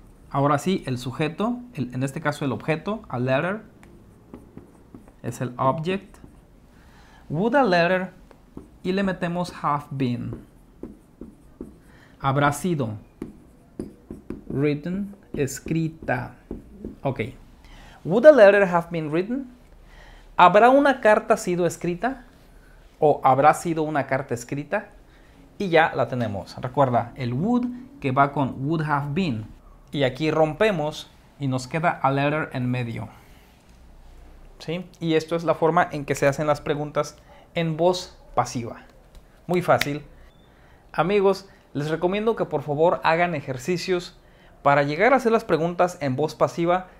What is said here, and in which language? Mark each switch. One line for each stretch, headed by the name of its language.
Spanish: Ahora sí, el sujeto, en este caso el objeto, a letter, es el object.
English: Would a letter,
Spanish: y le metemos
English: have been.
Spanish: Habrá sido written, escrita.
English: Ok. Would a letter have been written?
Spanish: ¿Habrá una carta sido escrita? ¿O habrá sido una carta escrita? Y ya la tenemos. Recuerda, el would que va con would have been. Y aquí rompemos y nos queda a letter en medio. ¿Sí? Y esto es la forma en que se hacen las preguntas en voz pasiva. Muy fácil. Amigos, les recomiendo que por favor hagan ejercicios para llegar a hacer las preguntas en voz pasiva.